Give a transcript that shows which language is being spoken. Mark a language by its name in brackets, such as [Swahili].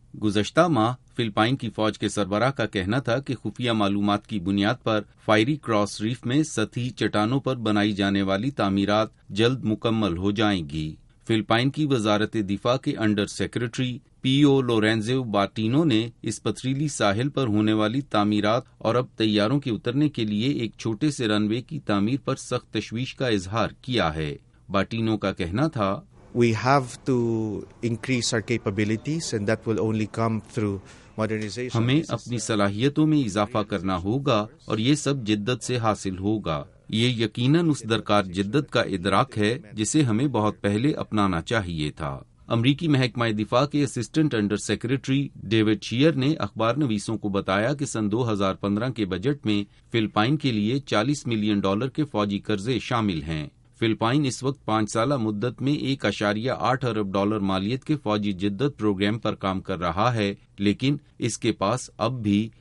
[Urdu] گزشتہ ماہ فلپائن کی فوج کے سربراہ کا کہنا تھا کہ خفیہ معلومات کی بنیاد پر فائری کراس ریف میں سطحی چٹانوں پر بنائی جانے والی تعمیرات جلد مکمل ہو جائیں گی۔ فلپائن کی وزارت دفاع کے انڈر سیکرٹری پی او لورینزو باٹینو نے اس پتھریلی ساحل پر ہونے والی تعمیرات اور اب طیاروں کے اترنے کے لیے ایک چھوٹے سے رن وے کی تعمیر پر سخت تشویش کا اظہار کیا ہے۔ باٹینو کا کہنا تھا، [English] We have to increase our capabilities and that will only come through modernization. [Urdu] ہمیں اپنی صلاحیتوں میں اضافہ کرنا ہوگا، اور یہ سب جدت سے حاصل ہوگا۔ یہ یقیناً اس درکار جدت کا ادراک ہے جسے ہمیں بہت پہلے اپنانا چاہیے تھا۔ امریکی محکمہ دفاع کے assistant under secretary David share نے اخبار نویسوں کو بتایا کہ سن 2015 کے بجٹ میں فلپائن کے لیے $40 million کے فوجی قرضے شامل ہیں۔ فلپائن اس وقت 5 سالہ مدت میں $1.8 ارب مالیت کے فوجی جدت پروگرام پر کام کر رہا ہے، لیکن اس کے پاس اب بھی